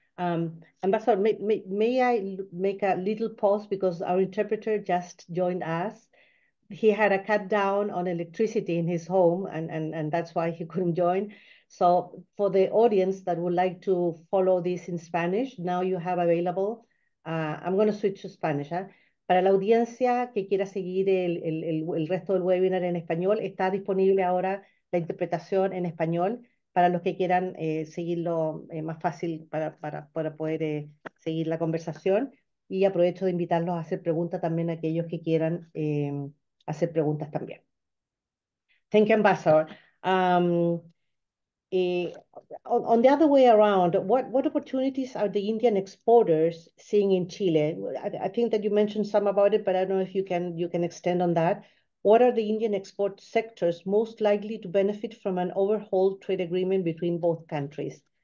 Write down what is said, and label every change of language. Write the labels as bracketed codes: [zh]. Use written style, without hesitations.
[en] Ambassador, may I make a little pause because our interpreter just joined us. He had a cut down on electricity in his home, and that's why he couldn't join. So for the audience that would like to follow this in Spanish, now you have available. I'm going to switch to Spanish. [es] Para la audiencia que quiera seguir el resto del webinar en español, está disponible ahora la interpretación en español para los que quieran seguirlo más fácil para poder seguir la conversación. Y aprovecho de invitarlos a hacer preguntas también a aquellos que quieran hacer preguntas también. [en] Thank you, Ambassador. On the other way around, what opportunities are the Indian exporters seeing in Chile? I think that you mentioned some about it, but I don't know if you can extend on that. What are the Indian export sectors most likely to benefit from an overhauled trade agreement between both countries?